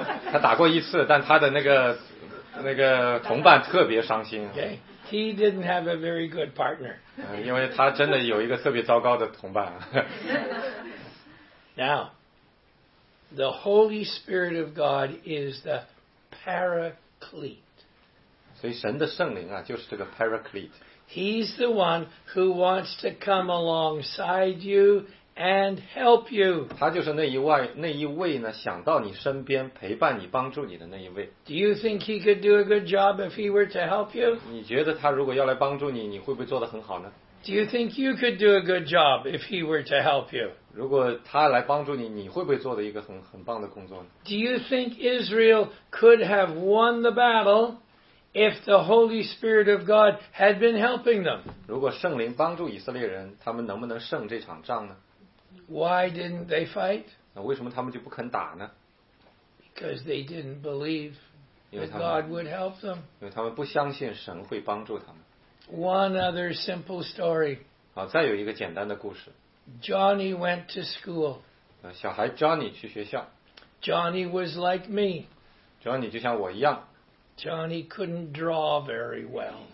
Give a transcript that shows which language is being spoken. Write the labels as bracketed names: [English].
[Chinese] 他打过一次但他的那个同伴特别伤心。 [English] Okay. He didn't have a very good partner. [Chinese] 因为他真的有一个特别糟糕的同伴。 [English] Now, the Holy Spirit of God is the paraclete. [Chinese] 所以神的圣灵啊，就是这个 Paraclete。 [English] He's the one who wants to come alongside you and help you。 [Chinese] 他就是那一位呢，想到你身边陪伴你、帮助你的那一位。 [English] Do you think he could do a good job if he were to help you？ [Chinese] 你觉得他如果要来帮助你，你会不会做得很好呢 [English] ？Do you think you could do a good job if he were to help you？ [Chinese] 如果他来帮助你，你会不会做的一个很棒的工作呢 [English] ？Do you think Israel could have won the battle？ If the Holy Spirit of God had been helping them, [Chinese] 如果圣灵帮助以色列人，他们能不能胜这场仗呢 [English] ？Why didn't they fight? [Chinese] 那为什么他们就不肯打呢 [English] ？Because they didn't believe that God would help them. [Chinese] 因为他们不相信神会帮助他们。 [English] One other simple story. [Chinese] 好，再有一个简单的故事。 [English] Johnny went to school. [Chinese] 小孩 Johnny 去学校。 [English] Johnny was like me. [Chinese] Johnny 就像我一样。 [English] Johnny couldn't draw very well.